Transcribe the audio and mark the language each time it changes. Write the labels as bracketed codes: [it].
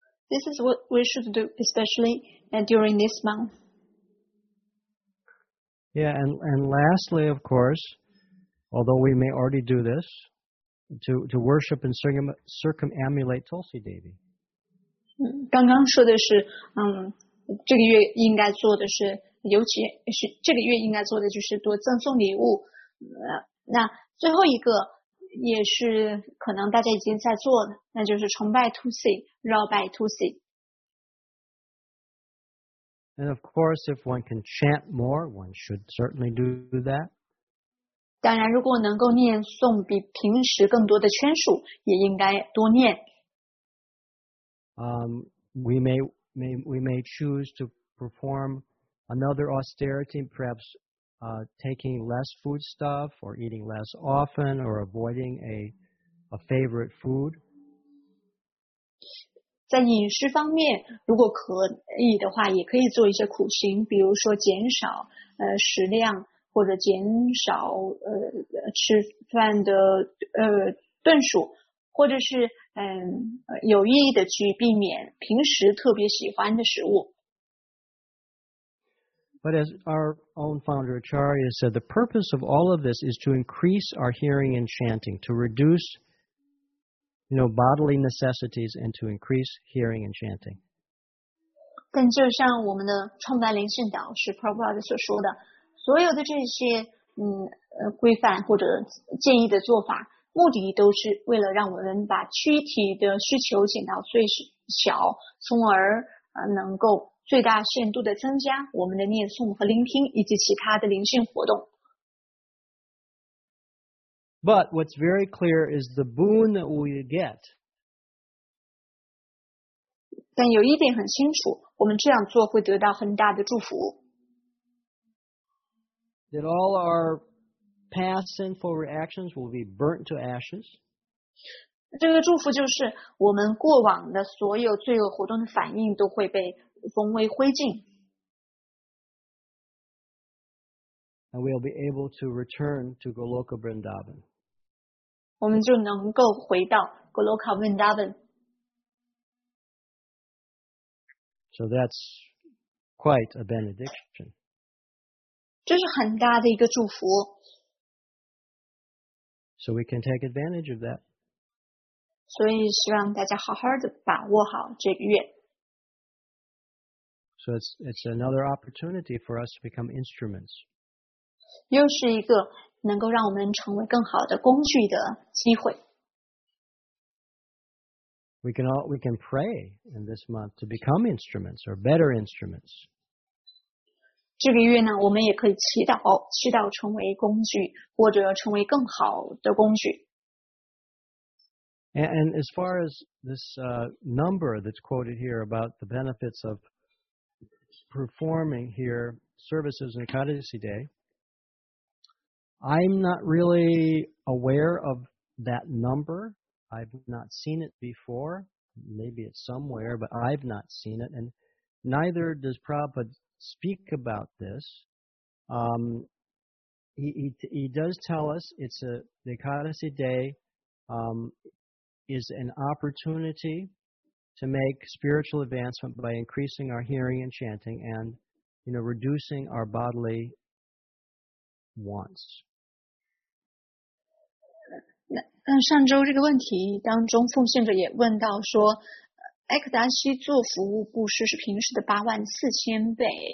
[en] This is what we should do, especially during this month. Yeah, and lastly, of course, although we may already do this, to worship and circumambulate Tulsi Devi. [zh] 刚刚说的是，这个月应该做的是，尤其是这个月应该做的就是多赠送礼物。那最后一个也是可能大家已经在做的，那就是崇拜 Tulsi， 绕拜 Tulsi。 [en] And of course, if one can chant more, one should certainly do that. [zh] 当然，如果能够念诵比平时更多的圈数，也应该多念。 [en] We may choose to perform another austerity, perhaps taking less food stuff or eating less often or avoiding a favorite food. [zh] 在饮食方面，如果可以的话，也可以做一些苦行，比如说减少食量或者减少吃饭的顿数，或者是有意义的去避免平时特别喜欢的食物。 [en] But as our own founder Acharya said, the purpose of all of this is to increase our hearing and chanting, to reduce, you know, bodily necessities and to increase hearing and chanting. [zh] 但就像我们的创办灵训导师 Prabhupada 所说的，所有的这些规范或者建议的做法，目的都是为了让我们把躯体的需求减到最小，从而能够最大限度的增加我们的念诵和聆听以及其他的灵性活动。 [en] But what's very clear is the boon that we get. [zh] 但有一点很清楚，我们这样做会得到很大的祝福。 [en] That all our past sinful reactions will be burnt to ashes. [zh] 这个祝福就是我们过往的所有罪恶活动的反应都会被风为灰烬。 [en] And we'll be able to return to Goloka Vrindavan. [zh] 我们就能够回到 Goloka Vrindavan. [en] So that's quite a benediction. [zh] 这是很大的一个祝福。 [en] So we can take advantage of that. [zh] 所以希望大家好好的把握好这个月。 [en] So it's another opportunity for us to become instruments. [zh] 又是一个能够让我们成为更好的工具的机会。 [en] We can pray in this month to become instruments or better instruments. [zh] 这个月呢，我们也可以祈祷成为工具，或者成为更好的工具。 [en] And as far as this number that's quoted here about the benefits of performing here services in Ekadasi Day, I'm not really aware of that number. I've not seen it before. Maybe it's somewhere, but I've not seen it. And neither does Prabhupada speak about this. He does tell us it's the Ekadasi Day is an opportunity to make spiritual advancement by increasing our hearing and chanting and, you know, reducing our bodily wants. [zh] 那上周这个问题当中，奉献者也问到说，埃克达西做服务布施是平时的84000倍。